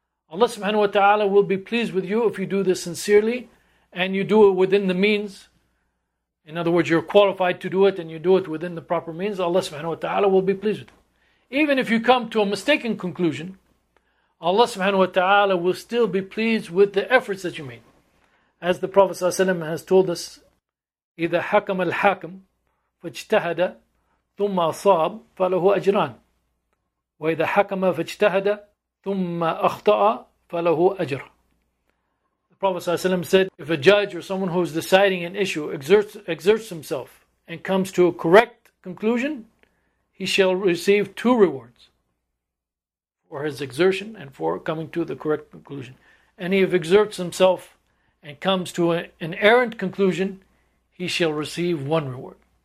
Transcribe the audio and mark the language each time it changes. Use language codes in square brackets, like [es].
[en] Allah subhanahu wa ta'ala will be pleased with you if you do this sincerely and you do it within the means. In other words, you're qualified to do it and you do it within the proper means. Allah subhanahu wa ta'ala will be pleased with you. Even if you come to a mistaken conclusion, Allah subhanahu wa ta'ala will still be pleased with the efforts that you made. As the Prophet ﷺ has told us, [ar] إِذَا حَكَمَ الْحَاكَمُ فَاجْتَهَدَ ثُمَّ أَصَابْ فَلَهُ أَجْرَانِ وَإِذَا حَكَمَ فَاجْتَهَدَ ثُمَّ أَخْطَأَ فَلَهُ أَجْرَ. [en] The Prophet ﷺ said, if a judge or someone who is deciding an issue exerts himself and comes to a correct conclusion, he shall receive two rewards for his exertion and for coming to the correct conclusion. And if he exerts himself and comes to an errant conclusion, he shall receive one reward.